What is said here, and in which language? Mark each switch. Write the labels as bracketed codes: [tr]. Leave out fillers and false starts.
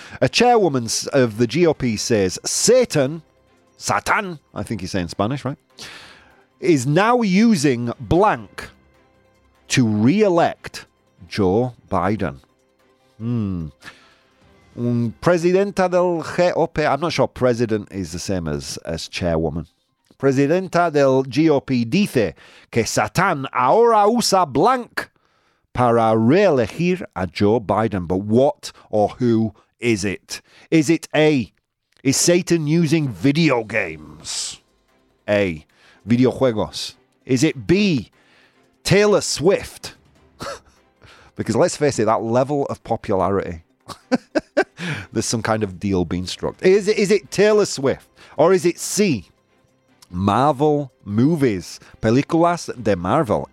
[en] A chairwoman of the GOP says, Satan, I think you say in Spanish, right? Is now using blank to re-elect Joe Biden. [es] Presidenta del GOP, [en] I'm not sure president is the same as chairwoman. [es] Presidenta del GOP dice que Satan ahora usa blank para reelegir a Joe Biden. [en] But what or who is it? Is it A, is Satan using video games? A, videojuegos. Is it B, Taylor Swift? Because let's face it, that level of popularity, there's some kind of deal being struck. Is it Taylor Swift? Or is it C, Marvel movies, [es] películas de Marvel?